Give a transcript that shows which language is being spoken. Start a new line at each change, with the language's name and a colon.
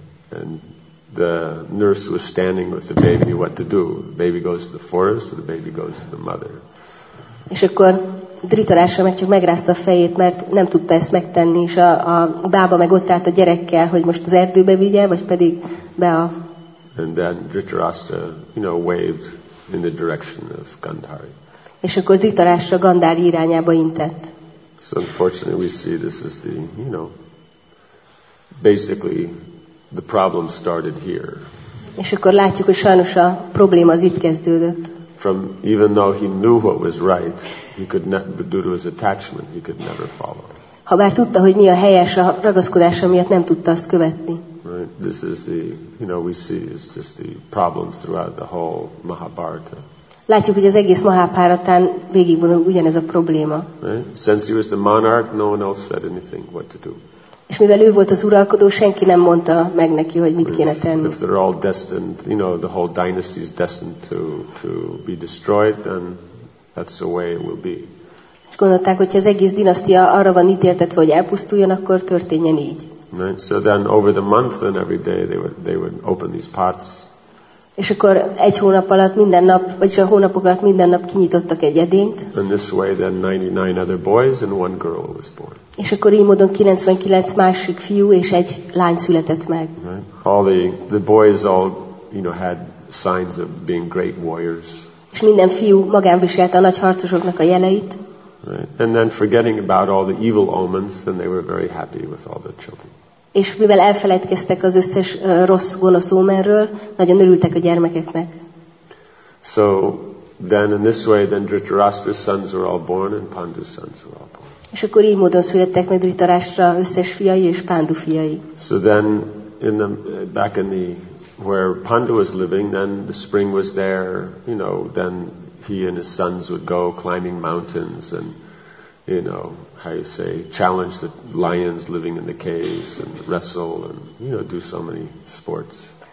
English: And the nurse was standing with the baby, what to do? The baby goes to the forest, or the baby goes to the mother?
Hungarian: És akkor Dhritarashtra meg csak megrázta a fejét, mert nem tudta ezt megtenni, és a bába meg ott állt a gyerekkel, hogy most az erdőbe vigye, vagy pedig be a...
English: And then Dhritarashtra, you know, waved in the direction of Gandhari.
Hungarian: És akkor Dhritarashtra Gandhari irányába intett.
English: So unfortunately we see this is the, you know, basically the problem started here.
Hungarian: És akkor látjuk, hogy sajnos a probléma az itt kezdődött.
English: From even though he knew what was right, he could not, due to his attachment, he could never follow.
Hungarian: Ha bár tudta, hogy mi a helyes, a ragaszkodása miatt nem tudta azt követni.
English: Right. This is the, you know, we see is just the problem throughout the whole Mahabharata.
Hungarian: Látjuk, hogy az egész Mahabharatán végigvonul ugyanez a probléma.
English: Right. Since he was the monarch, no one else said anything what to do.
Hungarian: És mivel ő volt az uralkodó, senki nem mondta meg neki, hogy mit kéne tenni.
English: If they're all destined, you know, the whole dynasty is destined to be destroyed, then that's the way it will be.
Hungarian: És gondolták, hogy az egész dinasztia arra van ítéltetve, hogy elpusztuljon, akkor történjen így.
English: Right. So then over the month and every day they would open these pots.
Hungarian: És akkor egy hónap alatt minden nap, vagy a hónapok alatt minden nap kinyitottak egy edényt.
English: And this way then 99 other boys and one girl was born.
Hungarian: És akkor így módon 99 másik fiú és egy lány született meg.
English: Right. All the boys all, you know, had signs of being great warriors.
Hungarian: És minden fiú magán viselte a nagy harcosoknak a jeleit.
English: Right. And then forgetting about all the evil omens, then they were very happy with all their children.
Hungarian: És mivel elfelejtkeztek az összes rossz gonosz ómerről, nagyon örültek a gyermekeknek.
English: So then in this way then Dhritarashtra's sons were all born and Pandu's sons were all born.
Hungarian: És akkor így módon születtek meg Dhritarashtra összes fiai és Pandu fiai.
English: So then in the back in the where Pandu was living, then the spring was there, you know, then he and his sons would go climbing mountains and, you know, how you say, challenge the lions living in the caves and wrestle and, you know, do so many sports.